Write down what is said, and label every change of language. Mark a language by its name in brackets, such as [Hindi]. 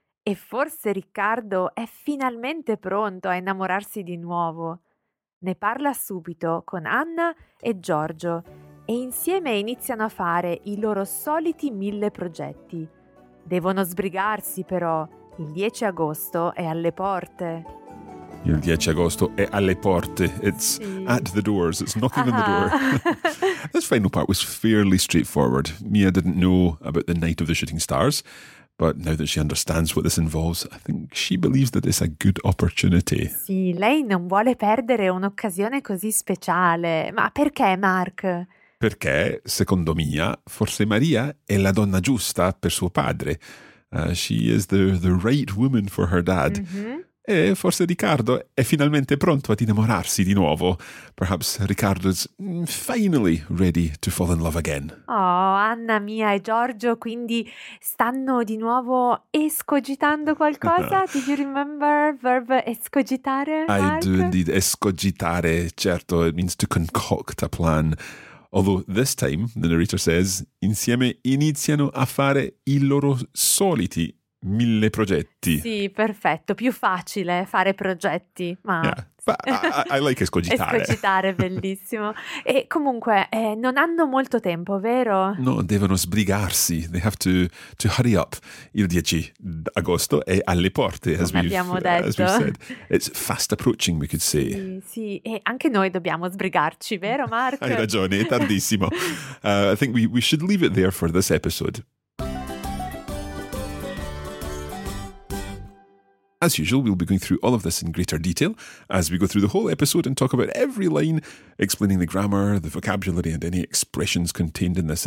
[Italian] E forse Riccardo è finalmente pronto a innamorarsi di nuovo. Ne parla subito con Anna e Giorgio e insieme iniziano a fare i loro soliti mille progetti. Devono sbrigarsi però, il 10 agosto è alle porte. Il 10 agosto è alle porte. [English] It's at the doors. It's knocking on the door. This final part was fairly straightforward. Mia didn't know about the night of the shooting stars, but now that she understands what this involves, I think she believes that it's a good opportunity. [Italian] Sì, lei non vuole perdere un'occasione così speciale. Ma perché, Mark? Perché, secondo Mia, forse Maria è la donna giusta per suo padre. [English] She is the right woman for her dad. Mm-hmm. [Italian] E forse Riccardo è finalmente pronto ad innamorarsi di nuovo. [English] Perhaps Riccardo is finally ready to fall in love again. [Italian] Oh, Anna mia e Giorgio, quindi stanno di nuovo escogitando qualcosa? [English] Do you remember verb escogitare, Mark? I do indeed. [Italian] Escogitare, certo, [English] it means to concoct a plan. Although this time, the narrator says, [Italian] insieme iniziano a fare i loro soliti mille progetti. Sì, perfetto. Più facile fare progetti, ma... [English] Yeah, but I like escogitare. [Italian] Escogitare, bellissimo. E comunque, non hanno molto tempo, vero? No, devono sbrigarsi. [English] They have to hurry up. [Italian] Il 10 agosto è alle porte, [English] as we've, [Italian] abbiamo detto. [English] As we've said. It's fast approaching, we could say. [Italian] Sì, sì, e anche noi dobbiamo sbrigarci, vero Mark? Hai ragione, è tardissimo. [English] I think we should leave it there for this episode. As usual, we'll be going through all of this in greater detail as we go through the whole episode and talk about every line, explaining the grammar, the vocabulary, and any expressions contained in this.